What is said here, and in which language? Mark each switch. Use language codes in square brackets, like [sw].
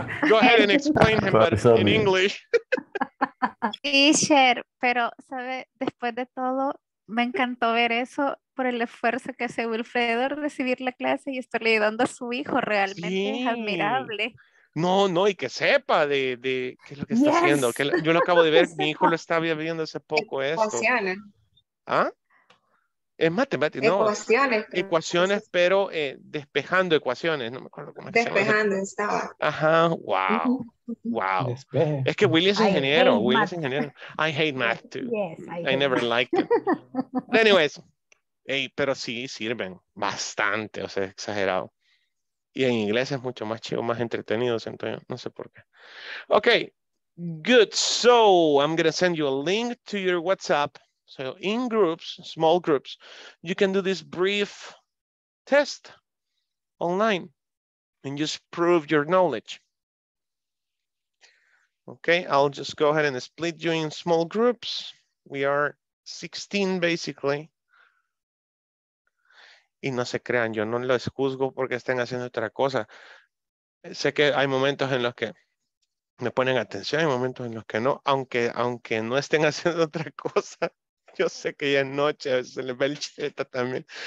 [en] Go ahead and explain him, but in English. [es] Teacher, pero sabe, después de todo, me encantó ver eso por el esfuerzo que hace Wilfredo recibir la clase y estarle ayudando a su hijo. Realmente sí. Es admirable. No, y que sepa de qué es lo que está haciendo. Yo lo acabo de ver, mi hijo lo estaba viendo hace poco esto. Funciona. ¿Ah? Es matemática, no. Ecuaciones, pero despejando ecuaciones. No me acuerdo cómo se llama. Despejando, estaba. Ajá, wow. Despeje. Es que Willy es ingeniero. [en] I hate math too. Yes, I never liked it. Anyways, hey, [es] pero sí sirven bastante, o sea, es exagerado. Y en inglés es mucho más chido, más entretenido, entonces no sé por qué. [en] Ok, good. So, I'm going to send you a link to your WhatsApp. So in groups, small groups, you can do this brief test online and just prove your knowledge. Okay, I'll just go ahead and split you in small groups. We are 16 basically. [es] Y no se crean, yo no los juzgo porque estén haciendo otra cosa. Sé que hay momentos en los que me ponen atención, hay momentos en los que no, aunque no estén haciendo otra cosa. Yo sé que ya es noche, se le ve el cheta también.